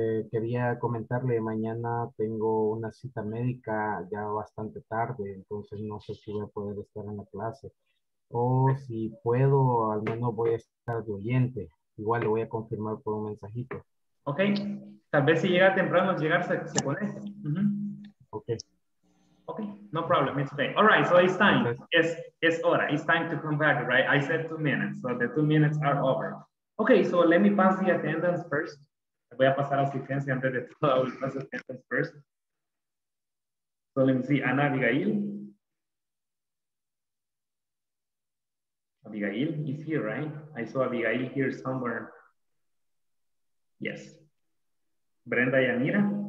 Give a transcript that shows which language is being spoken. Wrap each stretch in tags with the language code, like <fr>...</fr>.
<es>Quería comentarle, mañana tengo una cita médica ya bastante tarde, entonces no sé si voy a poder estar en la clase. O si puedo, al menos voy a estar de oyente. Igual le voy a confirmar por un mensajito. Ok, tal vez si llega temprano, se conecta. Uh-huh. Ok.</es> <en>Ok, no problem, it's okay. All right, so it's time. It's hora, it's time to come back, right? I said 2 minutes, so the 2 minutes are over. Ok, so let me pass the attendance first.</en> <es>Voy a pasar a asistencia antes de todo.</es> <en>I will pass attendance first. So let me see. Ana Abigail. Abigail is here, right? I saw Abigail here somewhere. Yes. Brenda Yanira.</en>